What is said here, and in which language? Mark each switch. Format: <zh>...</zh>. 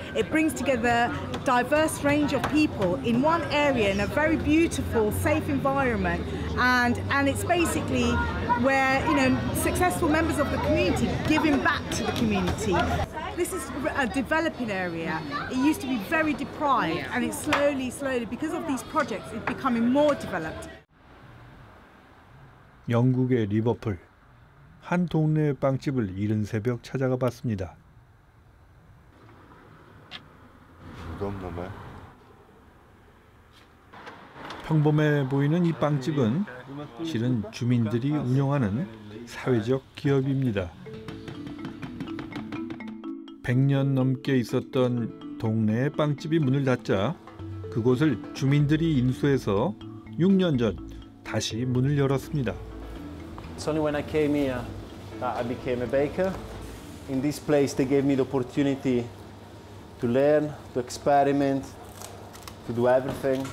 <en>It brings together a diverse range of people in one area in a very beautiful, safe environment, and it's basically where, you know, successful members of the community giving back to the community. This is a developing area. It used to be very deprived, and it's slowly, because of these projects, it's becoming more developed.</en> <ko>영국의 리버풀. 한 동네 빵집을 이른 새벽 찾아가 봤습니다. 무덤나무. 평범해 보이는 이 빵집은 실은 주민들이 운영하는 사회적 기업입니다. 100년 넘게 있었던 동네의 빵집이 문을 닫자 그곳을 주민들이 인수해서 6년 전 다시 문을 열었습니다.</ko> <en>It's only when I came here. I became a baker. In this place, they gave me the opportunity to learn, to experiment, to do everything.</en>